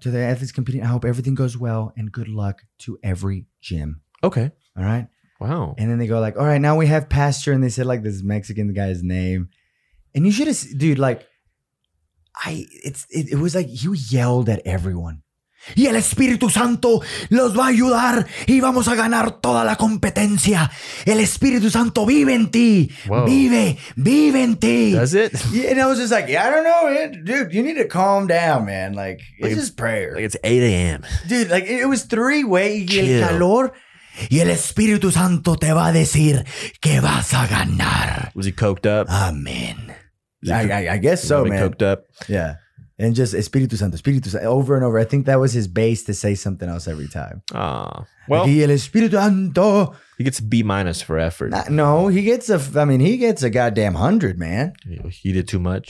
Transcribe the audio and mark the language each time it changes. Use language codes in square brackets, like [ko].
[en] To the athletes competing, I hope everything goes well, and good luck to every gym. Okay. All right. Wow. And then they go like, all right, now we have Pastor, and they said like this Mexican guy's name, and you should have, dude, like. It was like he yelled at everyone. [es] Y el Espíritu Santo los va a ayudar y vamos a ganar toda la competencia. El Espíritu Santo vive en ti. Whoa. Vive en ti. [en] Does it? Yeah, and I was just like, yeah, I don't know, man. Dude, you need to calm down, man. Like it's just prayer. Like it's 8 a.m. Dude, like it was three way. [es] Y el calor. Y el Espíritu Santo te va a decir que vas a ganar. [en] Was he coked up? Amen. I guess so, man. Coked up. Yeah. And just Espíritu Santo, over and over. I think that was his base to say something else every time. Well, [es] y el Espíritu Santo. [en] He gets a B minus for effort. He gets a goddamn 100, man. He did too much.